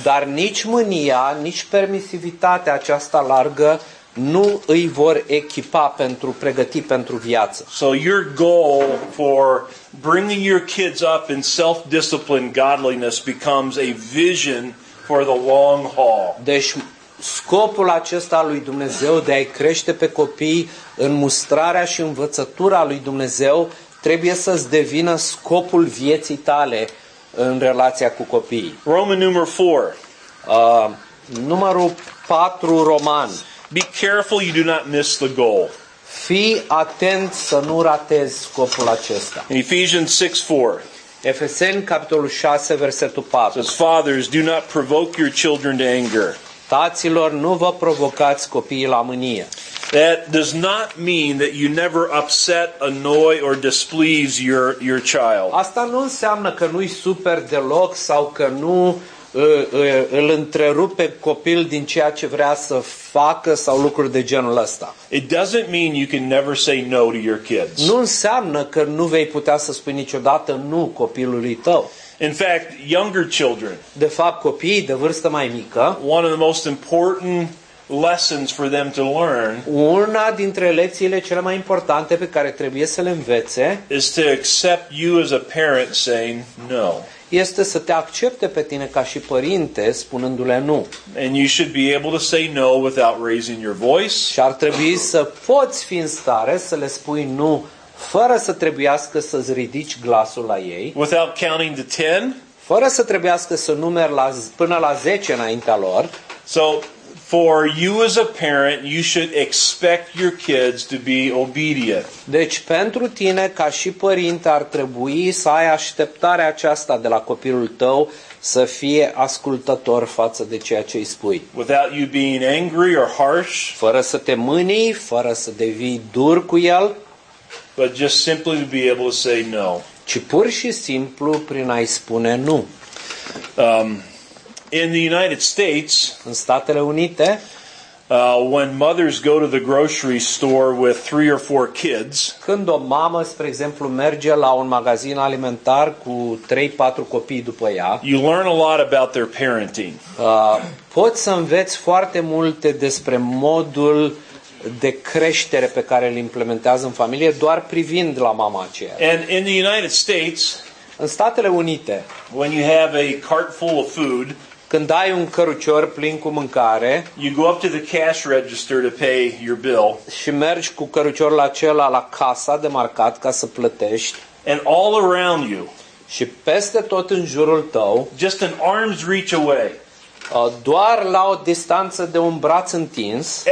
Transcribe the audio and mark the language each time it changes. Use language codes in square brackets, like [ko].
[ro] Dar nici mânia, nici permisivitatea aceasta largă nu îi vor echipa pentru pregăti pentru viață. [en] So your goal for bringing your kids up in self-discipline godliness becomes a vision for the long haul. [ro] Deci scopul acesta lui Dumnezeu de a-i crește pe copii în mustrarea și învățătura lui Dumnezeu trebuie să-ți devină scopul vieții tale în relația cu copiii. [en] Roman number 4. [ro] Numărul 4 roman. [en] Be careful you do not miss the goal. [ro] Fii atent să nu ratezi scopul acesta. [en] In Ephesians 6:4. [ro] Efeseni capitolul 6 versetul 4. [en] Says, fathers, do not provoke your children to anger. [ro] Taților, nu vă provocați copiii la mânie. [en] That does not mean that you never upset, annoy or displease your child. [ro] Asta nu înseamnă că nu-i super deloc sau că nu îl întrerupe copil din ceea ce vrea să facă sau lucruri de genul ăsta. [en] It doesn't mean you can never say no to your kids. [ro] Nu înseamnă că nu vei putea să spui niciodată nu copilului tău. [en] In fact, younger children. [ro] De fapt, copiii de vârstă mai mică. [en] One of the most important lessons for them to learn. [ro] Una dintre lecțiile cele mai importante pe care trebuie să le învețe. [en] Is to accept you as a parent saying no. [ro] Este să te accepte pe tine ca și părinte spunându-le nu. [en] And you should be able to say no without raising your voice. [ro] Și ar trebui să poți fi în stare să le spui nu fără să trebuiască să-ți ridici glasul la ei. [en] Without counting to 10. [ro] Fără să trebuiască să numeri până la 10 înaintea lor. [en] So for you as a parent, you should expect your kids to be obedient. [ro] Deci pentru tine ca și părinte ar trebui să ai așteptarea aceasta de la copilul tău să fie ascultător față de ceea ce îi spui. [en] Without you being angry or harsh. [ro] Fără să te mânii, fără să devii dur cu el. [en] But just simply to be able to say no. [ro] Ci pur și simplu prin a-i spune nu. [en] In the United States, [ro] în Statele Unite, [en] when mothers go to the grocery store with 3 or 4 kids, [ro] când o mamă, spre exemplu, merge la un magazin alimentar cu 3-4 copii după ea, [en] you learn a lot about their parenting. [ro] Poți să înveți foarte multe despre modul de creștere pe care îl implementează în familie doar privind la mama aceea. [en] And in the United States, [ro] în Statele Unite, [en] when you have a cart full of food, [ro] când ai un cărucior plin cu mâncare, [en] you go up to the cash register to pay your bill. [ro] Și mergi cu căruciorul acela la casa de marcat ca să plătești. [en] And all around you. [ro] Și peste tot în jurul tău, [en] just an arm's reach away. [ro] Doar la o distanță de un braț întins.